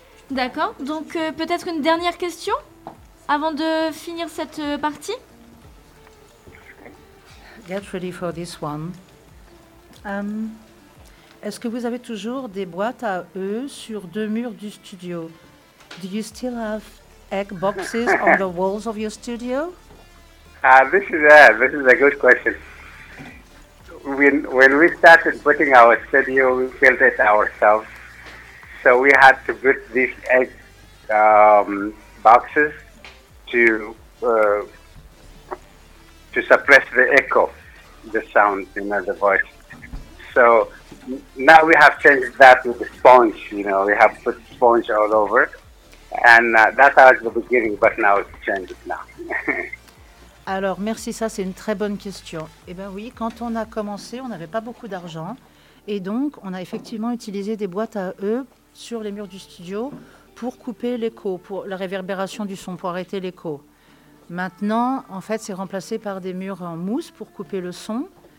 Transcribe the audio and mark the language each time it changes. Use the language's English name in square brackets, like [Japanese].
[French] D'accord, donc peut-être une dernière question avant de finir cette partie. [English] Get ready for this one. [French] Est-ce que vous avez toujours des boîtes à œufs sur deux murs du studio? [English] Do you still have egg boxes on the walls of your studio? This is a good question. When we started putting our studio, we built it ourselves. So we had to put these egg boxes to suppress the echo, the sound, you know, the voice. So now we have changed that with the sponge, you know, we have put sponge all over. And that was the beginning, but now it's changed now. [French] Alors, merci, ça, c'est une très bonne question. Eh bien oui, quand on a commencé, on n'avait pas beaucoup d'argent. Et donc, on a effectivement utilisé des boîtes à œufs sur les murs du studio pour couper l'écho, pour la réverbération du son, pour arrêter l'écho. Maintenant, en fait, c'est remplacé par des murs en mousse pour couper le son.